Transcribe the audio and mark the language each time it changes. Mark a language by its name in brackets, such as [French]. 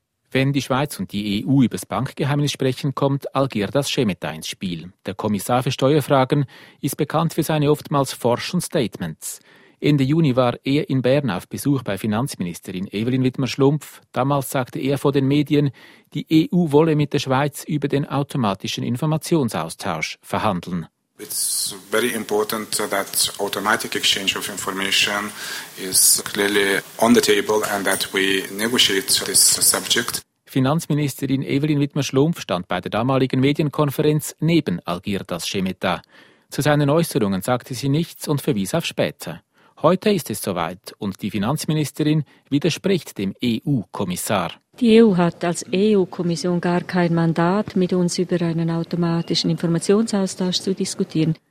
[German] Wenn die Schweiz und die EU über das Bankgeheimnis sprechen, kommt Algirdas Schemeta ins Spiel. Der Kommissar für Steuerfragen ist bekannt für seine oftmals forschen Statements. Ende Juni war er in Bern auf Besuch bei Finanzministerin Evelyn Wittmer-Schlumpf. Damals sagte er vor den Medien, die EU wolle mit der Schweiz über den automatischen Informationsaustausch verhandeln. [English] It's very important that automatic exchange of information is clearly on the table and that we negotiate this subject. [German] Finanzministerin Evelyn Wittmer-Schlumpf stand bei der damaligen Medienkonferenz neben Algirdas Schemeta. Zu seinen Äußerungen sagte sie nichts und verwies auf später. Heute ist es soweit und die Finanzministerin widerspricht dem EU-Kommissar. Die EU hat als EU-Kommission gar kein Mandat, mit uns über einen automatischen Informationsaustausch zu diskutieren.